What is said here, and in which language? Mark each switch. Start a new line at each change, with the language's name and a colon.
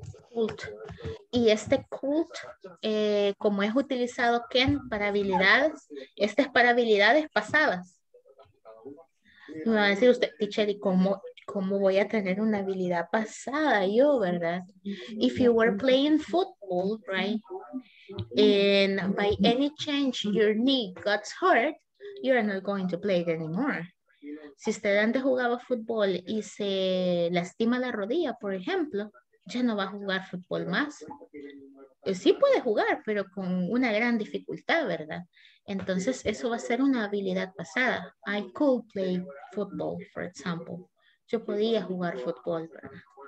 Spanish: Could. Y este could, como es utilizado can para habilidades, este es para habilidades pasadas. Me va a decir usted, teacher, ¿y cómo voy a tener una habilidad pasada yo, verdad?
English: If you were playing football, right, and by any chance your knee got hurt, you're not going to play it anymore.
Spanish: Si usted antes jugaba fútbol y se lastima la rodilla, por ejemplo, ya no va a jugar fútbol más. Sí puede jugar, pero con una gran dificultad, ¿verdad? Entonces, eso va a ser una habilidad pasada.
English: I could play football, for example.
Spanish: Yo podía jugar fútbol, ¿verdad?